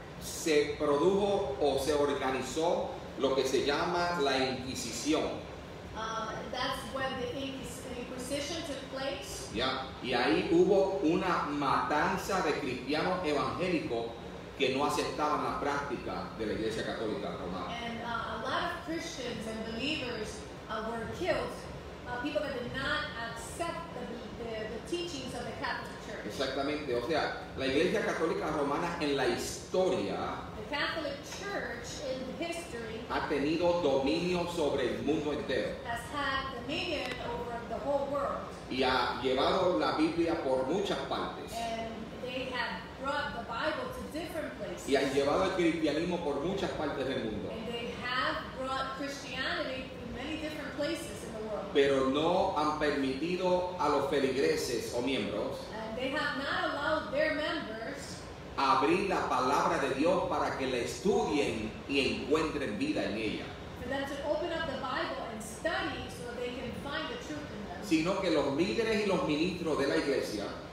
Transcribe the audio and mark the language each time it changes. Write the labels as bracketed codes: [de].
[es] se produjo o se organizó lo que se llama la Inquisición. [en] That's when the Inquisition took place. [es] Yeah. Y ahí hubo una matanza de cristianos evangélicos que no aceptaban la práctica de la Iglesia Católica Romana. [en] And a lot of Christians and believers were killed. People that did not accept the teachings of the Catholic Church. [es] Exactamente, o sea, la Iglesia Católica Romana en la historia, [en] the Catholic Church in history, [es] ha tenido dominio sobre el mundo entero, [en] has had dominion over the whole world, [es] y ha llevado la Biblia por muchas partes, [en] and they have brought the Bible to different places, [es] y ha llevado el cristianismo por muchas partes del mundo, [en] and they have brought Christianity to many different places. [es] Pero no han permitido a los feligreses o miembros, [en] and they have not allowed their members, [es] abrir la palabra de Dios para que la estudien y encuentren vida en ella. [en] For them to open up the Bible and study so they can find the truth in them. [es] Sino que los líderes y los ministros de la iglesia,